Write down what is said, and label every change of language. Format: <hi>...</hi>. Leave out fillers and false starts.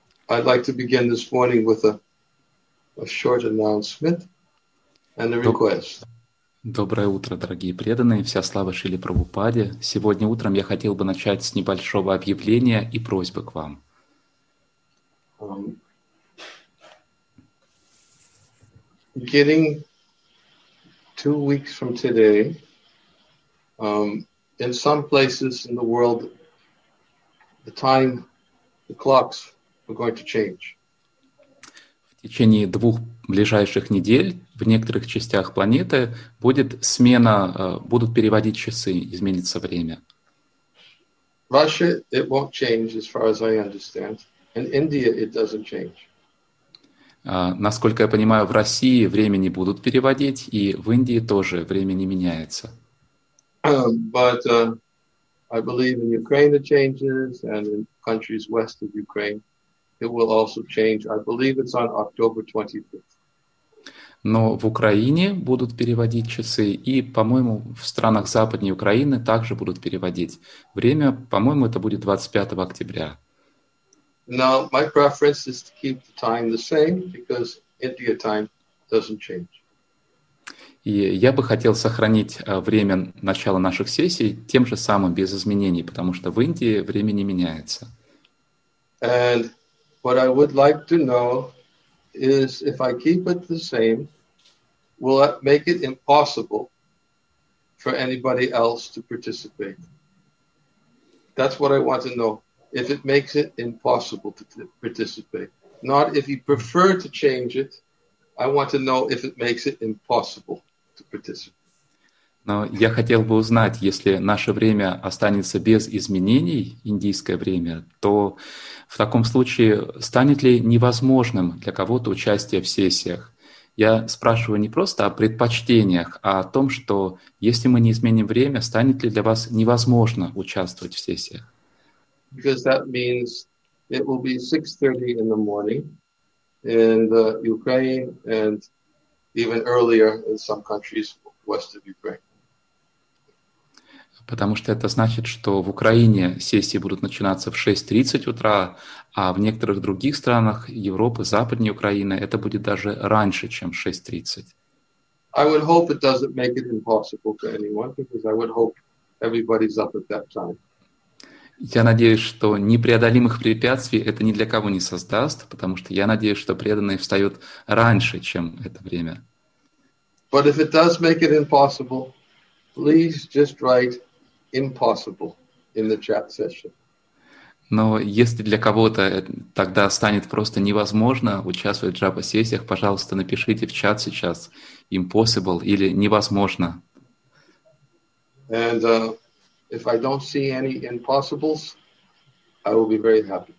<en>I'd like to begin this morning with a short announcement and a request.</en> <ru>Доброе утро, дорогие преданные. Вся слава Шиле Прабхупаде. Сегодня утром я хотел бы начать с небольшого объявления и просьбы к вам.</ru> <en>Getting 2 weeks from today, in some places in the world, the time, the clocks are going to change.</en> <ru>В течение двух ближайших недель в некоторых частях планеты будет смена, будут переводить часы, изменится время.</ru> <en>Russia, it won't change, as far as I understand. In India, it doesn't change.</en> <ru>Насколько я понимаю, в России время не будут переводить, и в Индии тоже время не меняется.</ru> <en>But I believe in Ukraine it changes, and in countries west of Ukraine it will also change. I believe it's on October 25th.</en> <ru>Но в Украине будут переводить часы, и, по-моему, в странах западнее Украины также будут переводить время. По-моему, это будет 25 октября.</ru> <en>Now, my preference is to keep the time the same, because India time doesn't change.</en> <ru>И я бы хотел сохранить время начала наших сессий тем же самым, без изменений, потому что в Индии время не меняется.</ru> <en>And what I would like to know is, if I keep it the same, will that make it impossible for anybody else to participate? That's what I want to know. If it makes it impossible to participate. Not if you prefer to change it. I want to know if it makes it impossible to participate.</en> <ru>Но я хотел бы узнать, если наше время останется без изменений, индийское время, то в таком случае станет ли невозможным для кого-то участие в сессиях? Я спрашиваю не просто о предпочтениях, а о том, что если мы не изменим время, станет ли для вас невозможно участвовать в сессиях?</ru> <en>Because that means it will be 6:30 in the morning in the Ukraine and even earlier in some countries west of Ukraine.</en> <ru>Потому что это значит, что в Украине сессии будут начинаться в 6:30 утра, а в некоторых других странах Европы, западнее Украины, это будет даже раньше, чем 6:30.</ru> <en>I would hope it doesn't make it impossible for anyone, because I would hope everybody's up at that time.</en> <ru>Я надеюсь, что непреодолимых препятствий это ни для кого не создаст, потому что я надеюсь, что преданные встают раньше, чем это время.</ru> <en>But if it does make it impossible, please just write impossible in the chat session.</en> <ru>Но если для кого-то тогда станет просто невозможно участвовать в джапа-сессиях, пожалуйста, напишите в чат сейчас impossible или невозможно.</ru> <en>And, if I don't see any impossibles, I will be very happy.</en>